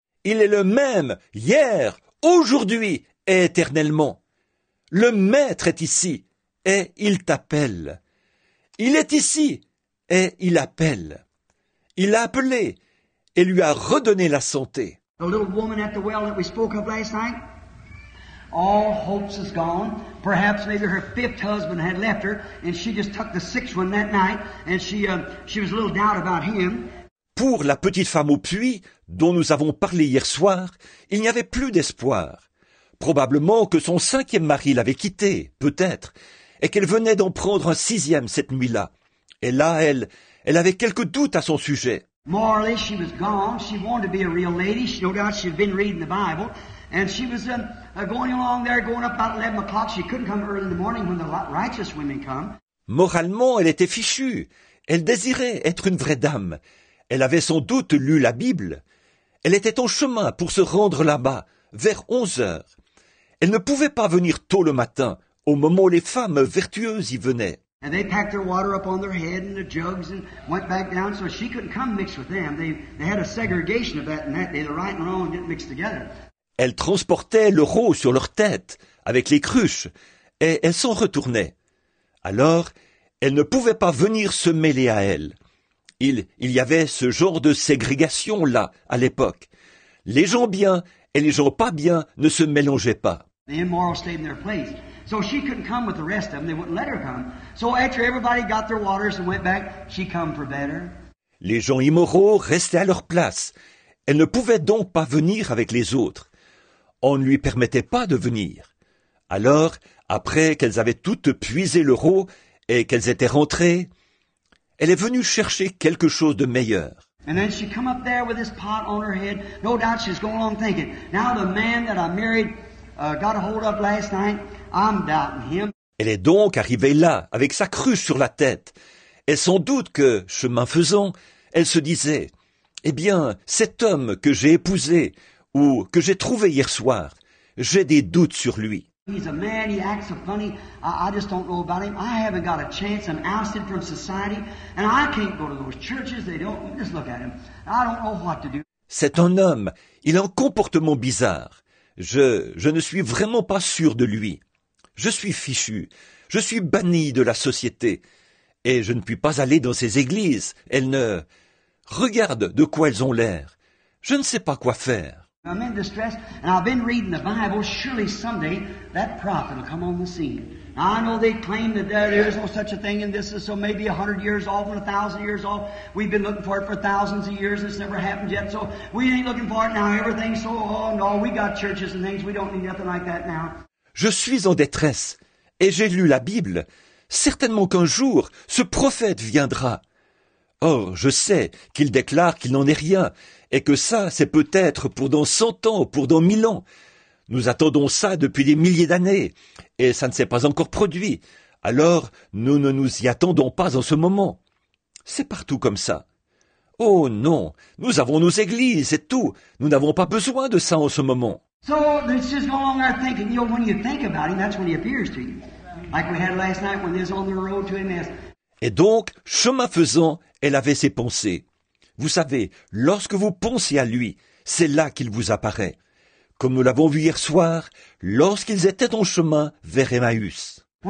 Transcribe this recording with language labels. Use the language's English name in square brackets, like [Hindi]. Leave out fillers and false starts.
[French] Il est le même hier, aujourd'hui et éternellement. Le maître est ici et il t'appelle. Il est ici et il appelle. Il a appelé et lui a redonné la santé. [English] The little woman at the well that we spoke of last night. All hopes is gone. Perhaps maybe her fifth husband had left her and she just took the sixth one that night and she was a little doubt about him. [French] Pour la petite femme au puits dont nous avons parlé hier soir, il n'y avait plus d'espoir. Probablement que son cinquième mari l'avait quittée, peut-être, et qu'elle venait d'en prendre un sixième cette nuit-là. Et là, elle avait quelques doutes à son sujet. [English] Morally, she was gone. She wanted to be a real lady. No doubt she'd been reading the Bible. And she was going along there, going up about 11 o'clock. She couldn't come early in the morning when the righteous women come. [French] Moralement, elle était fichue. Elle désirait être une vraie dame. Elle avait sans doute lu la Bible. Elle était en chemin pour se rendre là-bas, vers 11 heures. Elle ne pouvait pas venir tôt le matin, au moment où les femmes vertueuses y venaient. [English] And they packed their water up on their head and the jugs and went back down so she couldn't come mixed with them. They had a segregation of that day. The right and wrong didn't mix together. [French] Elles transportaient le roux sur leur tête avec les cruches et elles s'en retournaient. Alors, elles ne pouvaient pas venir se mêler à elles. Il y avait ce genre de ségrégation-là à l'époque. Les gens bien et les gens pas bien ne se mélangeaient pas. [English] The immoral stayed in their place. So she couldn't come with the rest of them. They wouldn't let her come. So after everybody got their waters and went back, she come for better. [French] Les gens immoraux restaient à leur place Elle ne pouvait donc pas venir avec les autres. On ne lui permettait pas de venir. Alors, après qu'elles avaient toutes puisé leur eau et qu'elles étaient rentrées, elle est venue chercher quelque chose de meilleur. [English] And then she come up there with this pot on her head. No doubt she's going on thinking. Now the man that I married got a hold of last night. I'm doubting him. [French] Elle est donc arrivée là avec sa cruche sur la tête. Et sans doute que, chemin faisant, elle se disait, eh bien, cet homme que j'ai épousé ou que j'ai trouvé hier soir, j'ai des doutes sur lui. [English] He's a man, he acts so funny, I just don't know about him. I haven't got a chance, I'm ousted from society, and I can't go to those churches, they don't, just look at him. I don't know what to do. [French] C'est un homme, il a un comportement bizarre. Je ne suis vraiment pas sûr de lui. Je suis fichu, je suis banni de la société, et je ne puis pas aller dans ces églises. Elles ne... Regarde de quoi elles ont l'air. Je ne sais pas quoi faire. [English] I'm in distress, and I've been reading the Bible. Surely someday that prophet will come on the scene. Now, I know they claim that there is no such a thing, and this is so maybe 100 years off and 1,000 years off. We've been looking for it for thousands of years. It's never happened yet, so we ain't looking for it now. Everything's so, oh no, we got churches and things. We don't need nothing like that now. [French] Je suis en détresse, et j'ai lu la Bible. Certainement qu'un jour, ce prophète viendra. Or, je sais qu'il déclare qu'il n'en est rien, et que ça, c'est peut-être pour dans 100 ans, pour dans 1000 ans. Nous attendons ça depuis des milliers d'années, et ça ne s'est pas encore produit. Alors, nous ne nous y attendons pas en ce moment. C'est partout comme ça. Oh non, nous avons nos églises et tout. Nous n'avons pas besoin de ça en ce moment. [English] So, let's just go along our thinking. You know, when you think about him, that's when he appears to you. Like we had last night when he's on the road to him. [French] Et donc, chemin faisant, elle avait ses pensées. Vous savez, lorsque vous pensez à lui, c'est là qu'il vous apparaît. Comme nous l'avons vu hier soir, lorsqu'ils étaient en chemin vers Emmaüs.